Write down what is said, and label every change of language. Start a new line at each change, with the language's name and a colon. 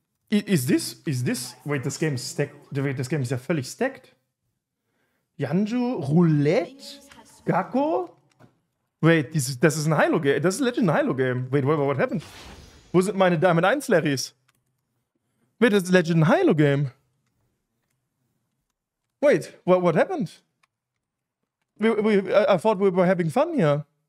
English: Is this wait, this game is stacked. Wait, this game is
German: ja völlig
English: stacked. Yanju, Roulette, Gakko. Wait, this is a Hilo game. This is legend Hilo game. Wait, what happened?
German: Wo sind meine Diamond 1 Larrys?
English: Wait, this is legend Hilo game. Wait, what happened? I thought we were having fun here.